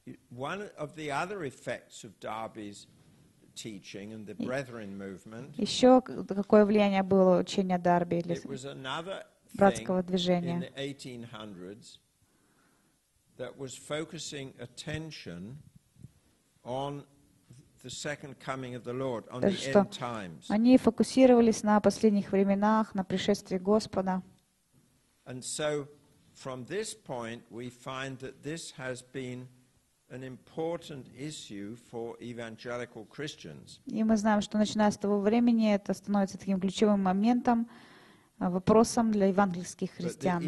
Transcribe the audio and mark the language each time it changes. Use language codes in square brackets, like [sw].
[en] One of the other effects of Darby's teaching and the Brethren movement. [ru] Еще какое влияние было учение Дарби для братского движения? [en] It was another thing in the 1800s that was focusing attention on the second coming of the Lord, on the end times. [ru] Они фокусировались на последних временах, на пришествии Господа. [en] And so, from this point, we find that this has been an important issue for evangelical Christians. [ru] И мы знаем, что начиная с того времени это становится таким ключевым моментом, вопросом для евангельских христиан.